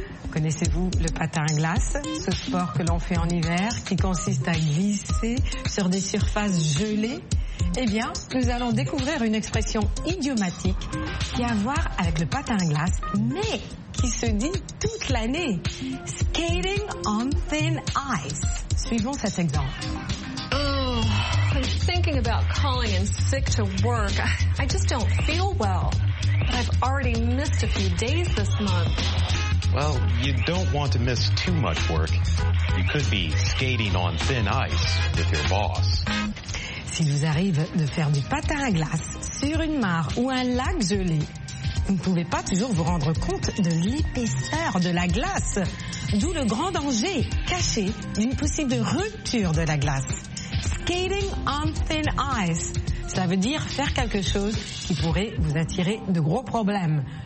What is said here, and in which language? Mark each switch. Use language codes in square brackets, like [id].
[fr] Connaissez-vous le patin à glace, ce sport que l'on fait en hiver qui consiste à glisser sur des surfaces gelées? Eh bien, nous allons découvrir une expression idiomatique qui a à voir avec le patin à glace, mais qui se dit toute l'année. [en] Skating on thin ice. [fr] Suivons cet exemple. [en] Oh, I'm thinking about calling in sick to work. I just don't feel well. I've already missed a few days this month. Well, you don't want to miss too much work. You could be skating on thin ice with your boss. [fr] S'il vous arrive de faire du patin à glace sur une mare ou un lac gelé, vous ne pouvez pas toujours vous rendre compte de l'épaisseur de la glace, d'où le grand danger caché d'une possible rupture de la glace. [en] Skating on thin ice, [fr] ça veut dire faire quelque chose qui pourrait vous attirer de gros problèmes.